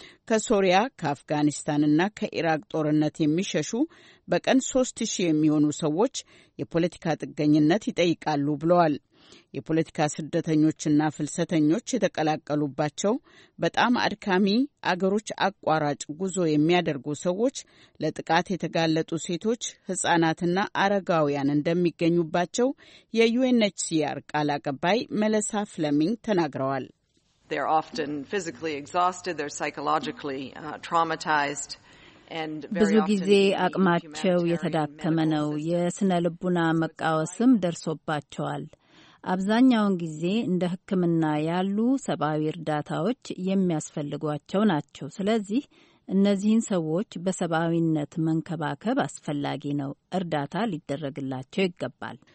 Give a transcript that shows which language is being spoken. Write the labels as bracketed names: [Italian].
[Amharic] ከሶሪያ፣ ከአፍጋኒስታንና ከኢራቅ ጦርነት የሚሸሹ በቀን 3,000 የሚሆኑ ሰዎች የፖለቲካ ጥገኝነት ይጠይቃሉ ብለዋል። የፖለቲካ ስደተኞችና ፍልሰተኞች የተቀላቀሉባቸው በጣም አድካሚ አገሮች አቋራጭ ጉዞ የሚያደርጉ ሰዎች፣ ለጥቃት የተጋለጡ ሴቶች፣ ሕፃናትና አረጋውያን እንደሚገኙባቸው የዩኤንኤችሲአር ቃል አቀባይ መለሳ ፍለሚንግ ተናግረዋል። [English] They're often physically exhausted, they're psychologically traumatized. [Amharic] ብዙ ጊዜ አቅማቸው የተዳከመ ነው። የስነ ልቡና መቃወስም ደርሶባቸዋል። አብዛኛውን ጊዜ እንደ ሕክምና ያሉ ሰብአዊ እርዳታዎች የሚያስፈልጓቸው ናቸው። ስለዚህ እነዚህን ሰዎች በሰብአዊነት መንከባከብ አስፈላጊ ነው። እርዳታ ሊደረግላቸው ይገባል።